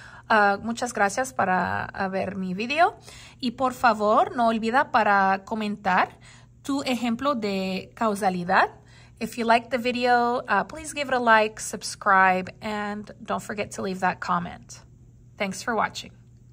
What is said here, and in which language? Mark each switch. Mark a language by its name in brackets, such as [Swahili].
[Spanish] Muchas gracias para ver mi video. Y por favor, no olvida para comentar tu ejemplo de causalidad. [English] If you like the video, please give it a like, subscribe, and don't forget to leave that comment. Thanks for watching.